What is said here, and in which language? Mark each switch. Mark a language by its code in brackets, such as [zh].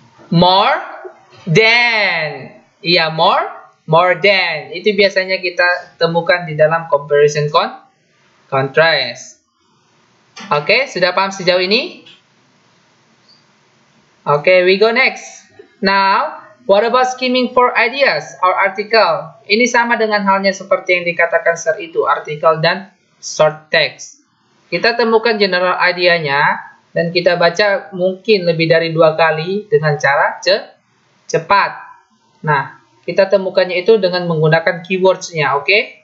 [en] More than. Iya, more than. [id] Itu biasanya kita temukan di dalam comparison contrast. Oke, sudah paham sejauh ini? [en] Oke, we go next. Now, what about skimming for ideas or article? [id] Ini sama dengan halnya seperti yang dikatakan Sir itu, artikel dan short text. Kita temukan general idea-nya dan kita baca mungkin lebih dari dua kali dengan cara cepat. Nah, kita temukannya itu dengan menggunakan keywords-nya, oke?